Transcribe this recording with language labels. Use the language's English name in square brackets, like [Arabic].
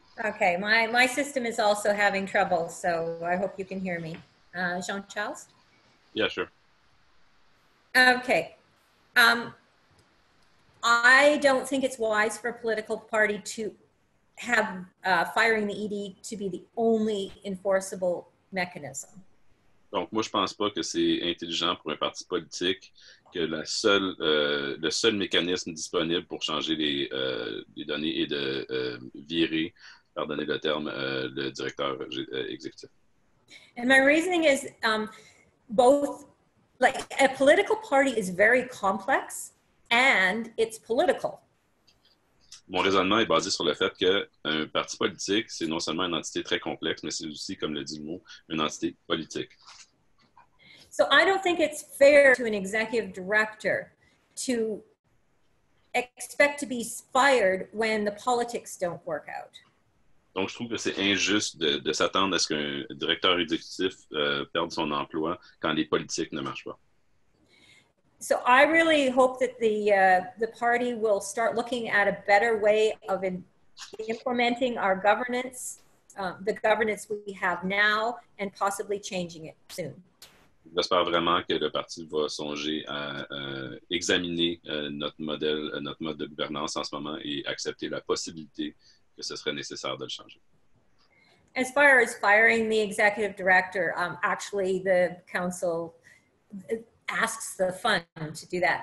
[English] Okay, my system is also having trouble, so I hope you can hear me. Jean-Charles? Yeah, sure. Okay. I don't think it's wise for a political party to have firing the ED to be the only enforceable mechanism. [French] Donc, moi, je pense pas que c'est intelligent pour un parti politique que la seule, le seul mécanisme disponible pour changer les données est de virer, pardonnez le terme, le directeur exécutif. [English] And my reasoning is both. Like, a political party is very complex, and it's political. [French] Mon raisonnement est basé sur le fait que un parti politique, c'est non seulement une entité très complexe, mais c'est aussi, comme le dit le mot, une entité politique. [English] So I don't think it's fair to an executive director to expect to be fired when the politics don't work out. [French] Donc, je trouve que c'est injuste de s'attendre à ce qu'un directeur exécutif perde son emploi quand les politiques ne marchent pas. [English] So, I really hope that the party will start looking at a better way of implementing our governance, the governance we have now, and possibly changing it soon. [French] J'espère vraiment que le parti va songer à examiner notre modèle, notre mode de gouvernance en ce moment et accepter la possibilité que ce serait nécessaire de le changer. [English] As far as firing the executive director, actually the council asks the fund to do that.